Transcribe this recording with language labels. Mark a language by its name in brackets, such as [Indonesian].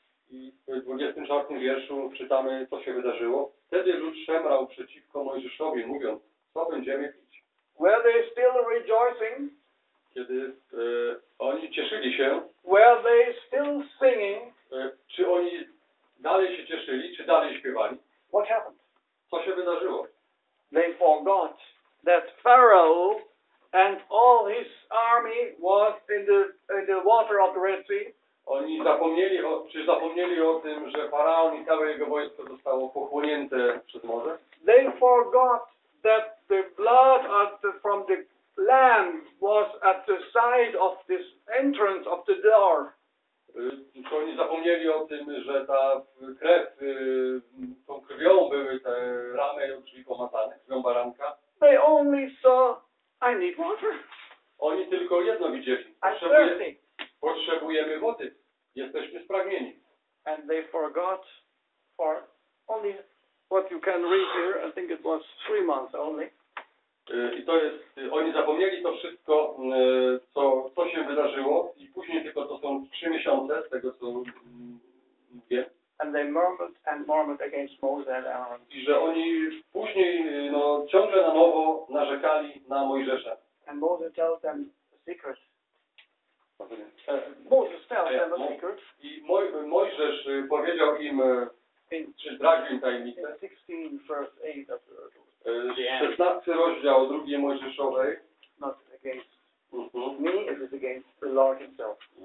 [Polish] I w 24 wierszu czytamy, co się wydarzyło. Wtedy lud szemrał przeciwko Mojżeszowi, mówiąc, co będziemy pić. [English] Were they still rejoicing? [Polish] Kiedy oni cieszyli się. [English] Were they still singing? [Polish] Czy oni dalej się cieszyli, czy dalej śpiewali? [English] What happened? [Polish] Co się wydarzyło? [English] They forgot that Pharaoh and all his army was in the water of the Red Sea. [Polish] Oni zapomnieli o, czy zapomnieli o tym, że faraon i całe jego wojsko zostało pochłonięte przez morze? [English] They forgot that the blood of the, from the lamb was at the side of this entrance of the door. [Polish] Czy oni zapomnieli o tym, że ta krew, tą krwią były te ramy, czyli pomazane, krwią baranka? [English] They only saw, I need water. [Polish] Oni tylko jedno widzieli. Potrzebujemy wody. Jesteśmy spragnieni. [English] And they forgot for only what you can read here. I think it was 3 months only. [Polish] I to jest, oni zapomnieli to wszystko, co, co się wydarzyło i później tylko to są 3 miesiące z tego, co mówię. [English] And they murmured and murmured against Moses and Aaron. [Polish] I że oni później, no, ciągle na nowo narzekali na Mojżesza. [English] And Moses tells them a secret. Moses tells them a secret. [Polish] I Mojżesz powiedział im, czy zdradził im tajemnicę. [English] 16:8 of the Lord. [Polish] 16 rozdział drugiej Mojżeszowej. [English] Not against me, it is against the Lord himself.